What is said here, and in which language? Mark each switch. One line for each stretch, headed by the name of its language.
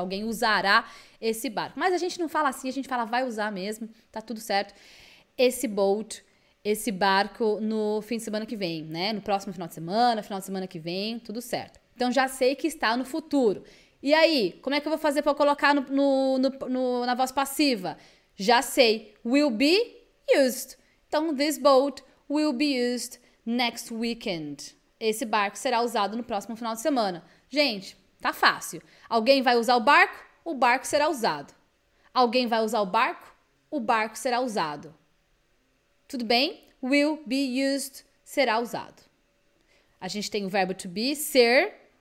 Portuguese: Alguém usará esse barco. Mas a gente não fala assim, a gente fala, vai usar mesmo, tá tudo certo. Esse boat, esse barco no fim de semana que vem, né? No próximo final de semana que vem, tudo certo. Então já sei que está no futuro. E aí, como é que eu vou fazer para colocar na voz passiva? Já sei,
English: will be used. Então, this boat will be used next weekend.
Portuguese: Esse barco será usado no próximo final de semana. Gente, tá fácil. Alguém vai usar o barco será usado. Alguém vai usar o barco será usado. Tudo bem?
English: Will be used,
Portuguese: será usado. A gente tem o verbo to be, ser...